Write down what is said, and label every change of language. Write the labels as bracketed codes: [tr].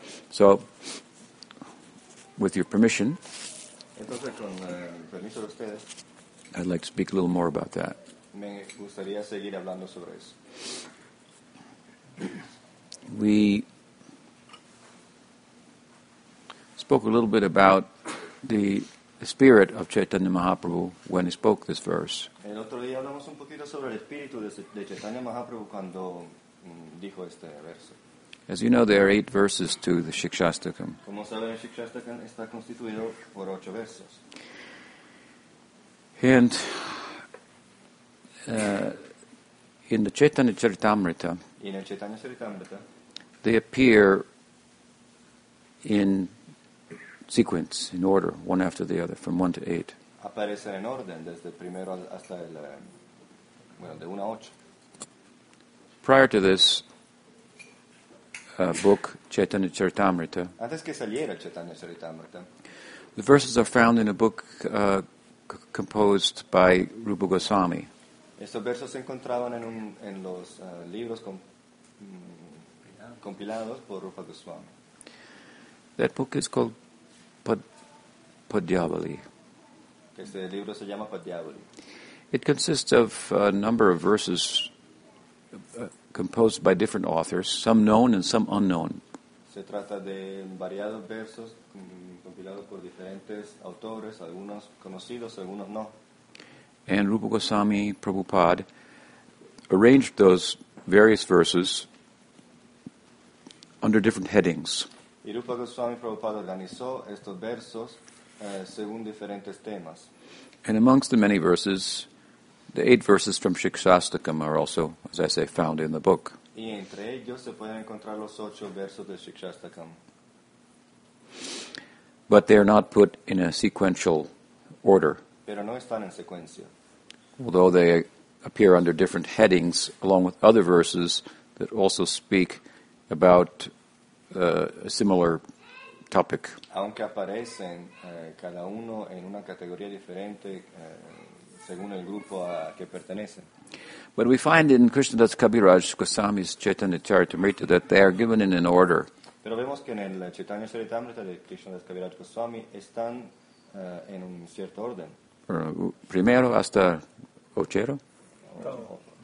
[en] So, with your permission, I'd like to speak a little more about that. [es] Me gustaría seguir hablando sobre eso. [en] We spoke a little bit about the spirit of Chaitanya Mahaprabhu when he spoke this verse. [es] El otro día hablamos un poquito sobre el espíritu de Chaitanya Mahaprabhu cuando dijo este verso. [en] As you know, there are eight verses to the Siksastakam. [es] Como saben, el Siksastakam está constituido por ocho versos. [en] And in the Chaitanya Charitamrita, [es] in el Chaitanya Charitamrita, [en] they appear in sequence, in order, one after the other, from 1 to 8. [es] Aparecen en orden, desde el primero hasta el, bueno, de 1 a 8. [en] Prior to this book, Chaitanya Charitamrita, [es] antes que saliera Chaitanya Charitamrita, [en] the verses are found in a book composed by Rupa Goswami. [es] Estos versos se encontraban en, un, en los libros compilados por Rupa Goswami. [en] That book is called Padyavali. [es] Este libro se llama Padyavali. [en] It consists of a number of verses composed by different authors, some known and some unknown. [es] Se trata de variados versos compilados por diferentes autores, algunos conocidos, algunos no. [en] And Rupa Goswami Prabhupada arranged those various verses under different headings. [es] Y Rupa Goswami Prabhupada organizó estos versos según diferentes temas. [en] And amongst the many verses, the eight verses from Siksastakam are also, as I say, found in the book. [es] Y entre ellos se pueden encontrar los ocho versos de Siksastakam. [en] But they are not put in a sequential order. [es] Pero no están en secuencia. [en] Although they appear under different headings, along with other verses that also speak about a similar topic. [es] Aunque aparecen cada uno en una categoría diferente según el grupo a que pertenecen. [en] But we find in Krishnadas Kaviraj Goswami's Chaitanya Charitamrita that they are given in an order. [es] Pero vemos que en el Chaitanya Charitamrita de Krishnadas Kaviraj Goswami están en un cierto orden. Primero hasta ochero? Octavo.